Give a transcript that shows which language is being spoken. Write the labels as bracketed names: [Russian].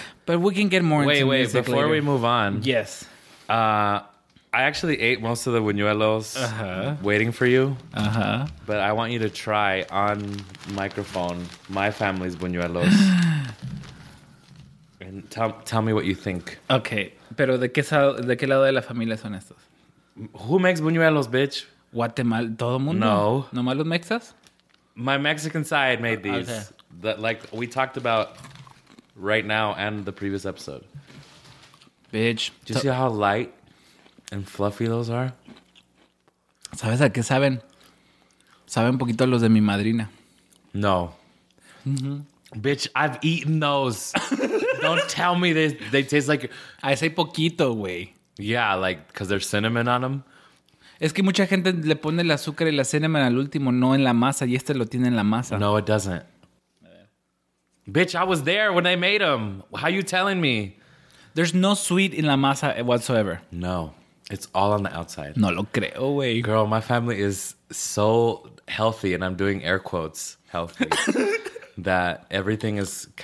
[English] But we can get more into music later. Before we move on. Yes. I actually ate most of the buñuelos waiting for you. Uh-huh. But I want you to try on microphone my family's buñuelos. And tell me what you think. Okay. [Spanish] Pero de qué lado de la familia son estos? [English] Who makes buñuelos, bitch? [Spanish] Guatemala. ¿Todo mundo? No. ¿Nomás los mexas? [English] My Mexican side made these. Okay. That, like we talked about... Right now and the previous episode. Bitch. Do you see how light and fluffy those are? [Spanish] ¿Sabes a qué saben? Saben poquito los de mi madrina. [English] No. Mm-hmm. Bitch, I've eaten those. Don't tell me they taste like... I say poquito, güey. Yeah, like, because there's cinnamon on them. [Spanish] Es que mucha gente le pone el azúcar y la cinnamon al último, no en la masa, y este lo tiene en la masa. [English] No, it doesn't. Bitch, I was there when they made them. How you telling me? There's no sweet in la masa whatsoever. No. It's all on the outside. [Spanish] No lo creo, wey. [English] Girl, my family is so healthy, and I'm doing air quotes healthy, that everything is...